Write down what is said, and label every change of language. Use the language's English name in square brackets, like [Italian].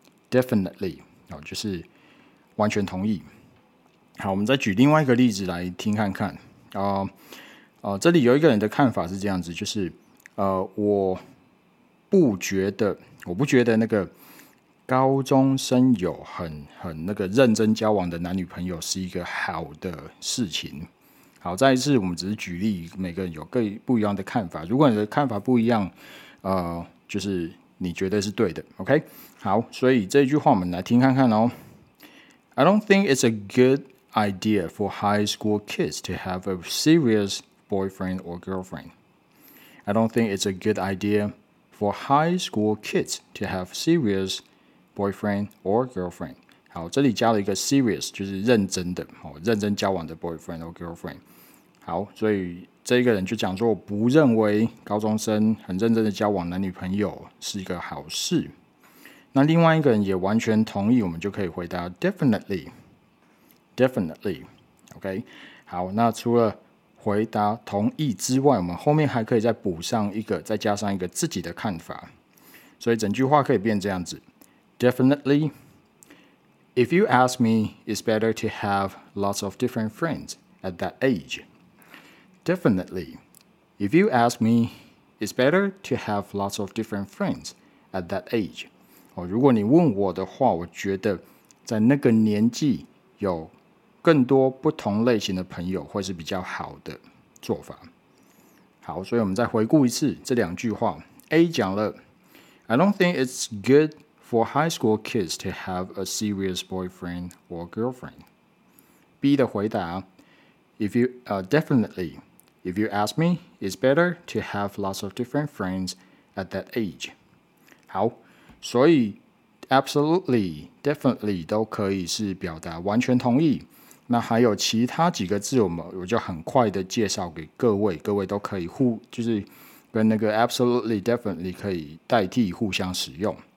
[Chinese] Definitely、哦、就是完全同意。好，我们再举另外一个例子来听看看、这里有一个人的看法是这样子，就是、我不觉得那个高中生有 很那个认真交往的男女朋友是一个好的事情。好，再一次我们只是举例，每个人有不一样的看法，如果你的看法不一样、就是你觉得是对的 ，OK？好，所以这句话我们来听看看哦。 [English] I don't think it's a good idea for high school kids to have a serious boyfriend or girlfriend. I don't think it's a good idea for high school kids to have serious boyfriend or girlfriend. [Chinese] 好，这里加了一个 serious， 就是认真的哦，认真交往的 [English] boyfriend or girlfriend。 [Chinese] 好，所以这个人就讲说，我不认为高中生很认真的交往男女朋友是一个好事。那另外一个人也完全同意，我们就可以回答 definitely， definitely， OK。好，那除了回答同意之外，我们后面还可以再补上一个，再加上一个自己的看法。所以整句话可以变这样子： [English] definitely， if you ask me， it's better to have lots of different friends at that age。 Definitely, if you ask me, it's better to have lots of different friends at that age.、 [Chinese] 哦、如果你问我的话，我觉得在那个年纪有更多不同类型的朋友会是比较好的做法。好，所以我们再回顾一次这两句话。 A 讲了 [English] ，I don't think it's good for high school kids to have a serious boyfriend or girlfriend. [Chinese] B 的回答。 [English] If you, definitely, if you ask me, it's better to have lots of different friends at that age. [Chinese] 好，所以 absolutely, definitely 都可以是表达完全同意。那还有其他几个字，我就很快的介绍给各位，各位都可以就是跟那个 absolutely, definitely 可以代替互相使用。